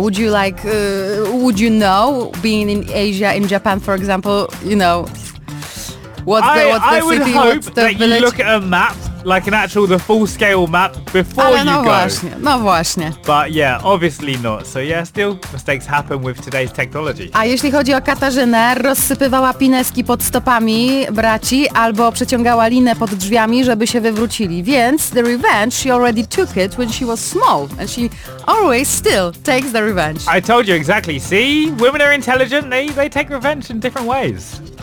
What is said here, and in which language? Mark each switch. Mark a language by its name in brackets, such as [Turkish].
[English] Would you like, would you know, being in Asia, in Japan, for example, you know, what's the city, what's the village? I would hope that you look at a map, like an actual, the full-scale map, before you go. [Polish] No właśnie. [English] But yeah, obviously not. So yeah, still, mistakes happen with today's technology. [Polish] A jeśli chodzi o Katarzynę, rozsypywała pineski pod stopami braci albo przeciągała linę pod drzwiami, żeby się wywrócili. [English] Więc the revenge, she already took it when she was small. And she always still takes the revenge. I told you exactly. See? Women are intelligent. They take revenge in different ways.